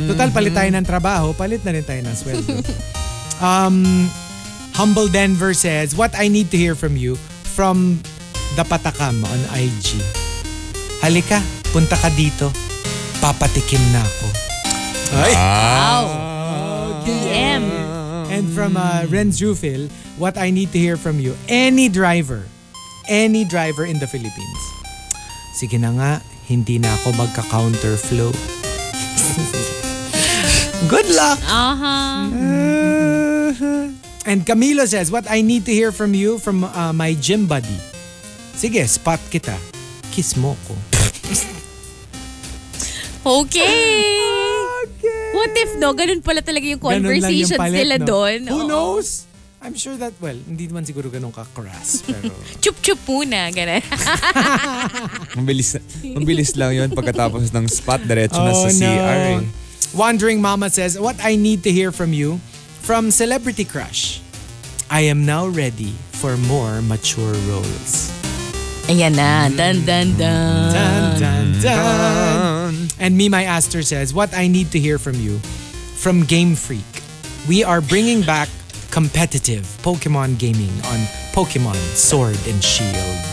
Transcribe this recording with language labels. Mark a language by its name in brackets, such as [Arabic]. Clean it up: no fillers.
[Filipino] Total, palit tayo ng trabaho, palit na rin tayo ng sweldo. [English] Humble Denver says, what I need to hear from you, from the Patakam on IG. [Filipino] Halika, punta ka dito, papatikim na ako. [English] Wow. DM. And from Renz Rufil, what I need to hear from you, any driver in the Philippines. [Filipino] Sige na nga, hindi na ako magka-counter flow. [English] Good luck. Uh-huh. And Camilo says, what I need to hear from you, from my gym buddy. [Filipino] Sige, spot kita. Kiss mo ko. [English] Okay. What if, [Filipino] no? Ganun pala talaga yung conversation palit, sila no? Doon. [English] Who knows? I'm sure that, well, [Filipino] hindi naman siguro ganun ka-crass. Pero... Chup-chup muna, ganun. mabilis lang yun pagkatapos ng spot, diretso na sa CR. [English] Wandering Mama says, what I need to hear from you, from Celebrity Crush, I am now ready for more mature roles. [Filipino] Ayan na. Dun-dun-dun. Dun-dun-dun. [English] And Mimi Aster says, what I need to hear from you, from Game Freak, we are bringing back competitive Pokemon gaming on Pokemon Sword and Shield.